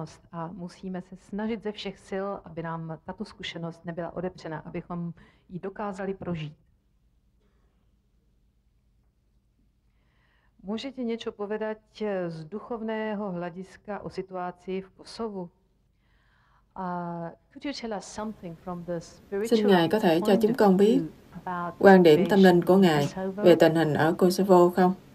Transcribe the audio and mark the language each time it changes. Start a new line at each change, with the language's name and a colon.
Czech: A musíme se snažit ze všech sil, aby nám tato zkušenost nebyla odepřena, abychom ji dokázali prožít. Můžete něco povedat z duchovného hlediska o situaci v Kosovu?
English: Could you tell us something from the spiritual?
Vietnamese: Xin Ngài có thể cho chúng con biết quan điểm tâm linh của Ngài về tình hình ở Kosovo không?